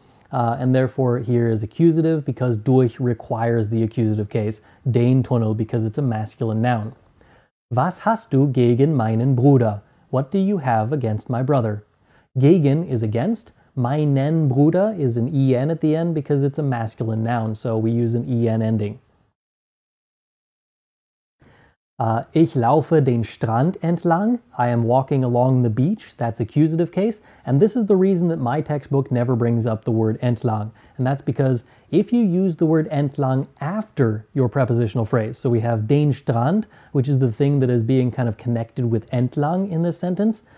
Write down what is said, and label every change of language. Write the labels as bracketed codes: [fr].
[en] And therefore here is accusative because durch requires the accusative case, [de] den Tunnel [en] because it's a masculine noun. [de] Was hast du gegen meinen Bruder? [en] What do you have against my brother? Gegen is against. [de] Meinen Bruder [en] is an en at the end because it's a masculine noun, so we use an en ending. [de] Ich laufe den Strand entlang. [en] I am walking along the beach. That's accusative case. And this is the reason that my textbook never brings up the word entlang. And that's because if you use the word entlang after your prepositional phrase, so we have [de] den Strand, [en] which is the thing that is being kind of connected with entlang in this sentence.